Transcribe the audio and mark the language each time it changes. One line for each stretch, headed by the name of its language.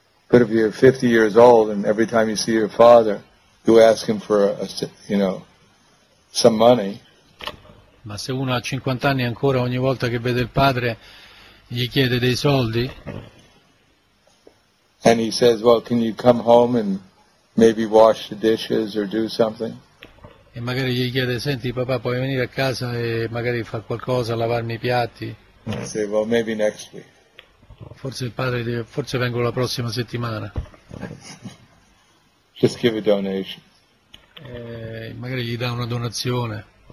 English: But if you're 50 years old and every time you see your father, you ask him for some money.
Italian: Ma se uno ha 50 anni ancora ogni volta che vede il padre gli chiede dei soldi.
English: And he says, "Well, can you come home and maybe wash the dishes or do something?"
Italian: E magari gli chiede, "Senti, papà, puoi venire a casa e magari far qualcosa, lavarmi i piatti?"
English: I say, "Well, maybe next week."
Italian: Forse il padre dice, "Forse vengo la prossima settimana."
English: Just give a donation.
Italian: Magari gli dà una donazione.